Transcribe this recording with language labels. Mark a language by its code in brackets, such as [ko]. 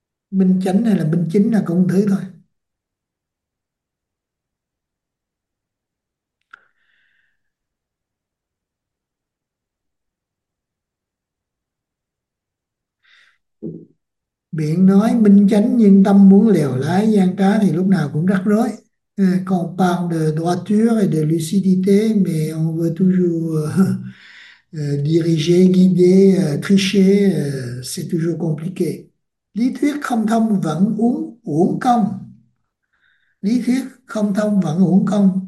[vi] Minh chánh hay là minh chính là cùng thứ thôi. Miệng nói minh chánh nhưng tâm muốn lèo lái gian trá thì lúc nào cũng rắc rối. Còn [fr] parle de droiture et de lucidité, mais on veut toujours diriger, guider, tricher, c'est toujours compliqué. [vi] Lý thuyết không thông vẫn uổng công. Lý thuyết không thông vẫn uổng công.